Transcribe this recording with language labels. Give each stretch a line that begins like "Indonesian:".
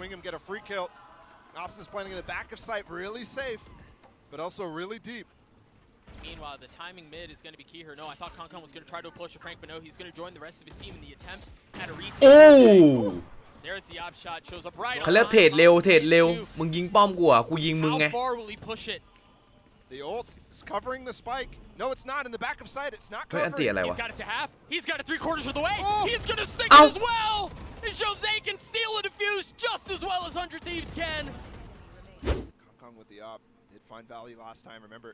English: Austin's planning in the back of sight really safe but also really deep Meanwhile the timing mid is going to be key here no I thought Kong Kong was going to try to approach a Frank but no he's going to join the rest of his team in the attempt at a retake Oh There's the op shot shows up right
Thai: ขลับเทรดเร็วมึงยิงป้อมกูอ่ะกูยิงมึงไง
English: How far will he push it The ult is covering the spike No it's not in the back of sight it's not covering He's got it to half He's got it 3 quarters of the way He's going to stick as wellIt shows they can steal a defuse just as well as 100 Thieves can. Kong Kong with the op. Did find Valley last time, remember?